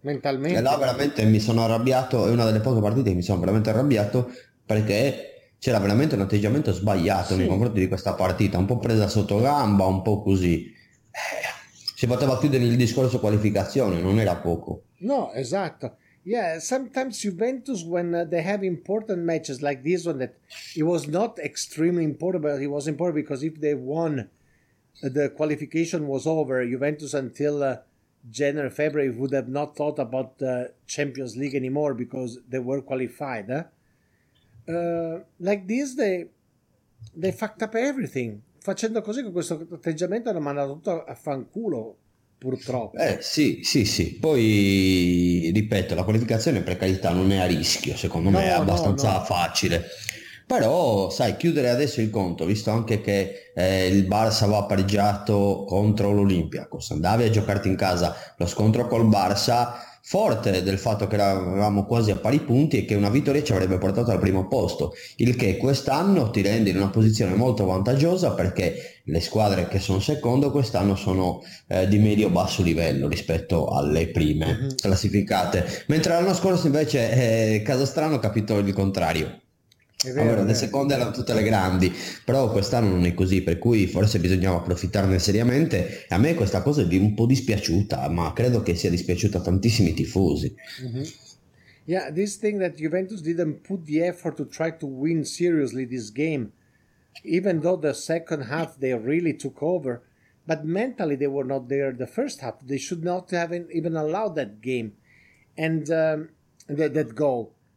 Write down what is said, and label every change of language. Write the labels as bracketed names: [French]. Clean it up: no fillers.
[Italian] Mentalmente. E là veramente mi sono arrabbiato, è una delle poche partite che mi sono veramente arrabbiato, perché c'era veramente un atteggiamento sbagliato sì. nei confronti di questa partita, un po' presa sotto gamba, un po' così. Si poteva chiudere il discorso qualificazione, non era poco. No, esatto. [English] Yeah, sometimes Juventus, when they have important matches like this one, that it was not extremely important, but it was important because if they won, the qualification was over. Juventus until January, February would have not thought about the Champions League anymore because they were qualified. Like this, they fucked up everything. [Italian] Facendo così, con questo atteggiamento, hanno mandato tutto a fanculo. Purtroppo. Sì, sì, sì. Poi, ripeto, la qualificazione, per carità, non è a rischio, secondo me è abbastanza facile. Però, sai, chiudere adesso il conto, visto anche che il Barça va pareggiato contro l'Olympiacos, andavi a giocarti in casa lo scontro col Barça, forte del fatto che eravamo quasi a pari punti e che una vittoria ci avrebbe portato al primo posto, il che quest'anno ti rende in una posizione molto vantaggiosa, perché le squadre che sono secondo quest'anno sono di medio basso livello rispetto alle prime classificate, mentre l'anno scorso invece, caso strano, capitò il contrario. È vero, allora, le seconde erano tutte le grandi, però quest'anno non è così, per cui forse bisognava approfittarne seriamente. E a me questa cosa è un po' dispiaciuta, ma credo che sia dispiaciuta a tantissimi tifosi. Mm-hmm. [English] Yeah, this thing that Juventus didn't put the effort to try to win seriously this game, even though the second half they really took over, but mentally they were not there the first half. They should not have even allowed that game and that goal.